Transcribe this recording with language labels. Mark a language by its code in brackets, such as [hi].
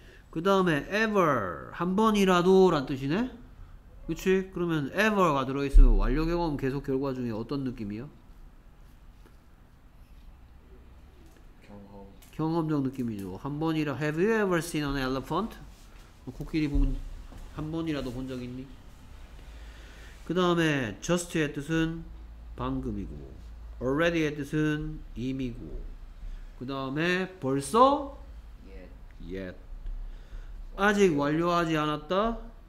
[ko] 그 다음에 ever 한 번이라도 란 뜻이네. 그치? 그러면 ever가 들어있으면 완료 경험 계속 결과 중에 어떤 느낌이야? 경험. 경험적 느낌이죠. 한 번이라 [en] have you ever seen an elephant? [ko] 코끼리 본 한 번이라도 본 적 있니? 그 다음에 just의 뜻은 방금이고 already의 뜻은 이미고 그 다음에 벌써 [en] yet [ko] 아직 완료하지 않았다?